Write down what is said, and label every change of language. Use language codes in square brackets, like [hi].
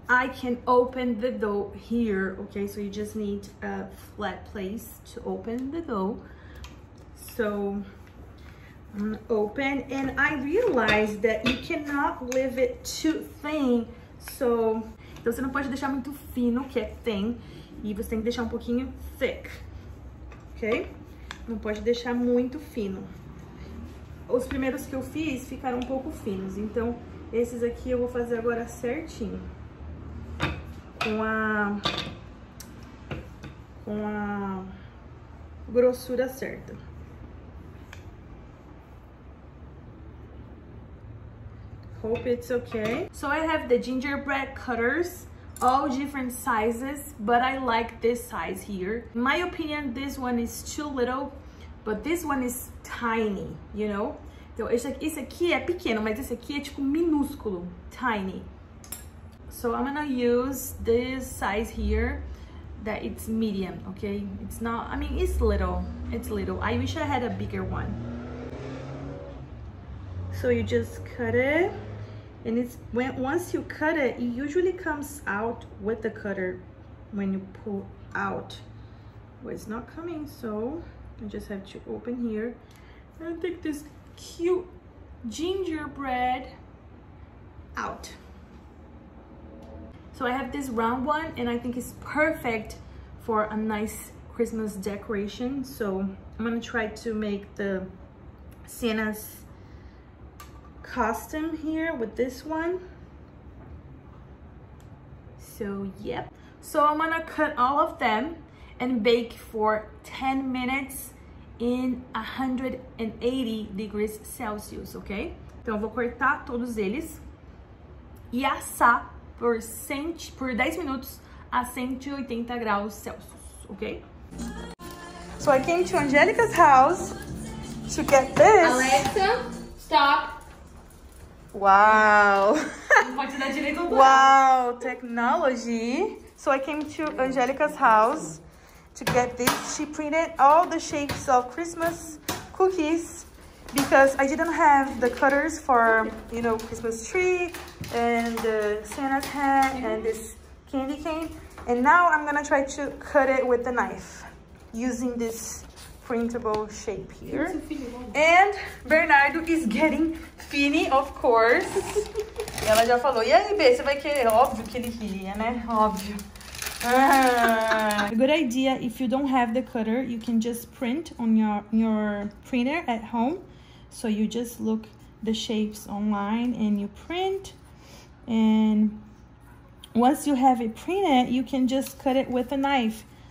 [en] I can open the dough here, okay? So you just need a flat place to open the dough. So I'm gonna open, and I realized that you cannot leave it too thin, so... [pt] Então você não pode deixar muito fino, que é thin, e você tem que deixar um pouquinho thick, ok? Não pode deixar muito fino. Os primeiros que eu fiz ficaram um pouco finos, então esses aqui eu vou fazer agora certinho. Com a grossura certa. [en] Hope it's okay. So I have the gingerbread cutters, all different sizes, but I like this size here. In my opinion, this one is too little, but this one is tiny, you know? Então, esse aqui é pequeno, mas esse aqui é tipo minúsculo, tiny. So I'm gonna use this size here, that it's medium, okay? It's not, I mean, it's little. I wish I had a bigger one. So you just cut it. And it's when once you cut it, it usually comes out with the cutter when you pull out. Well, it's not coming, so I just have to open here and take this cute gingerbread out. So I have this round one, and I think it's perfect for a nice Christmas decoration. So I'm gonna try to make the Santa's costume here with this one. So yep, so I'm gonna cut all of them and bake for 10 minutes in 180 degrees Celsius, okay? [pt] Então eu vou cortar todos eles e assar por 10 minutos a 180 graus Celsius, okay? [en] So I came to Angelica's house to get this. Alexa, stop. Wow. Wow, technology. So I came to Angelica's house to get this. She printed all the shapes of Christmas cookies because I didn't have the cutters for, you know, Christmas tree and the Santa's hat and this candy cane. And now I'm gonna try to cut it with the knife using this printable shape here. And Bernardo is getting Fini, of course. [pt] E ela já falou, e aí, Bê, você vai querer? Óbvio que ele queria, né? Óbvio. [en] A good idea, if you don't have the cutter, you can just print on your printer at home. So you just look the shapes online and you print. And once you have it printed, you can just cut it with a knife.